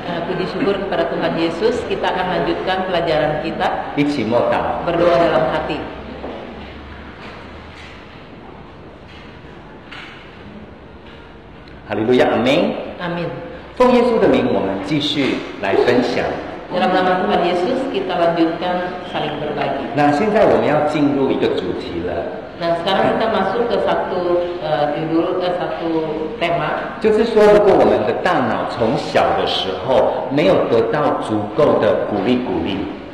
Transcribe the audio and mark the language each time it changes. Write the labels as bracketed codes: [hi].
[id] Puji syukur kepada Tuhan Yesus, kita akan lanjutkan pelajaran kita. Ichimota. Berdoa dalam hati. Haleluya, amin. Amin. [zh] 奉耶稣的名，我们继续来分享。 [id] Dalam nama Tuhan Yesus, kita lanjutkan saling berbagi. [zh] Nah, 现在我们要进入一个主题了。 [id] Nah, sekarang kita masuk ke satu judul, ke satu tema. [zh] 就是说，如果我们的大脑从小的时候没有得到足够的鼓励鼓励。